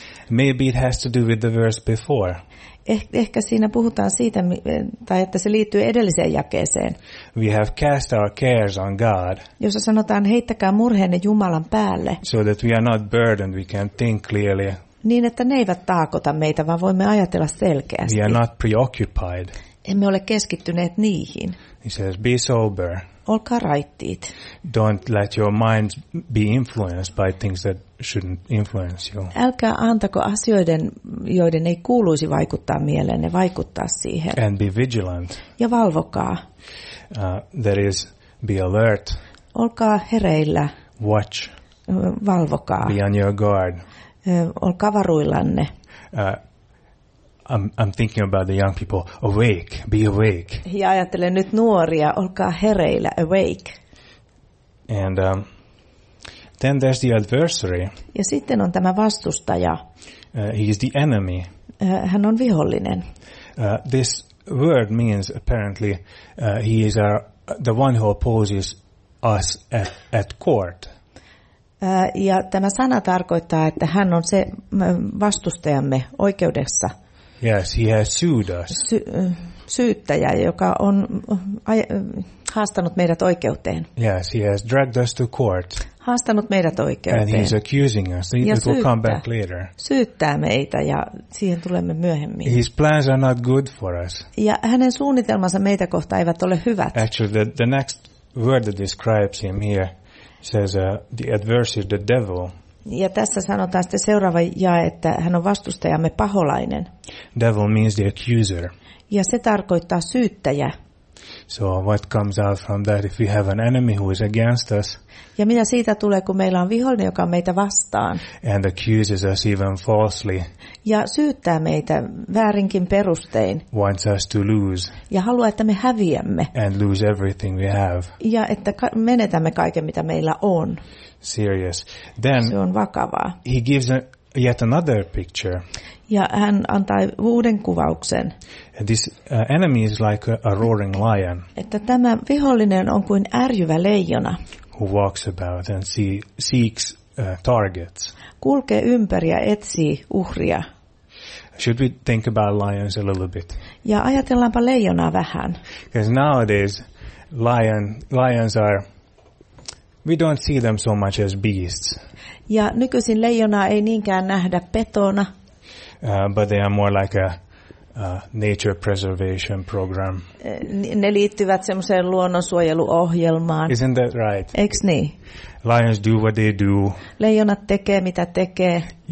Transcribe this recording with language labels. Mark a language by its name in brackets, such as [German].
[English] Maybe it has to do with the verse before. [Finnish] Ehkä siinä puhutaan siitä, tai että se liittyy edelliseen jakeeseen. [English] We have cast our cares on God. [Finnish] Jossa sanotaan, heittäkää murheenne Jumalan päälle. [English] So that we are not burdened, we can think clearly. [Finnish] Niin, että ne eivät taakota meitä, vaan voimme ajatella selkeästi. [English] We are not preoccupied. [Finnish] Emme ole keskittyneet niihin. [English] He says, be sober. [Finnish] Olkaa raittiit. [English] Don't let your mind be influenced by things that shouldn't influence you. [Finnish] Älkää antako asioiden, joiden ei kuuluisi vaikuttaa mieleenne, vaikuttaa siihen. [English] And be vigilant. [Finnish] Ja valvokaa. [English] That is, be alert. [Finnish] Olkaa hereillä. [English] Watch. [Finnish] Valvokaa. [English] Be on your guard. [Finnish] Olkaa varuillanne. [English] I'm thinking about the young people. Awake, be awake. [Finnish] He ajattelee nyt nuoria, olkaa hereillä, [English] awake. And then there's the adversary. [Finnish] Ja sitten on tämä vastustaja. [English] He is the enemy. [Finnish] Hän on vihollinen. [English] This word means apparently he is the one who opposes us at court. [Finnish] Ja tämä sana tarkoittaa, että hän on se vastustajamme oikeudessa. [English] Yes, he has sued us. [Finnish] Syyttäjä, joka on haastanut meidät oikeuteen. [English] Yes, he has dragged us to court. [Finnish] Haastanut meidät oikeuteen. [English] And he's accusing us. It will come back later. [Finnish] Syyttää meitä ja siihen tulemme myöhemmin. [English] His plans are not good for us. [Finnish] Ja hänen suunnitelmansa meitä kohtaan eivät ole hyvät. [English] Actually, the next word that describes him here says the adversary, the devil. [Finnish] Ja tässä sanotaan sitten seuraava jae, että hän on vastustajamme paholainen. [English] Devil means the accuser. [Finnish] Ja se tarkoittaa syyttäjä. [English] So what comes out from that if we have an enemy who is against us? [Finnish] Ja mitä siitä tulee, kun meillä on vihollinen, joka on meitä vastaan? [English] And accuses us even falsely. [Finnish] Ja syyttää meitä väärinkin perustein. [English] Wants us to lose. [Finnish] Ja haluaa, että me häviämme. [English] And lose everything we have. [Finnish] Ja että menetämme kaiken, mitä meillä on. [English] Serious. Then [Finnish] se on vakavaa. [English] He gives yet another picture. [Finnish] Ja hän antaa uuden kuvauksen. [English] This enemy is like a roaring lion. [Finnish] Että tämä vihollinen on kuin ärjyvä leijona. [English] Who walks about and seeks targets. [Finnish] Kulkee ympäri ja etsii uhria. [English] Should we think about lions a little bit? [Finnish] Ja ajatellaanpa leijonaa vähän. [English] Because nowadays lions are, we don't see them so much as beasts. [Finnish] Ja nykyisin leijonaa ei niinkään nähdä petona. [English] But they are more like a nature preservation program. [Finnish] Ne liittyvät semmoiseen luonnonsuojeluohjelmaan. [English] Isn't that right? [Finnish] Eiks niin? [English] Lions do what they do. [Finnish] Leijonat tekee mitä tekee.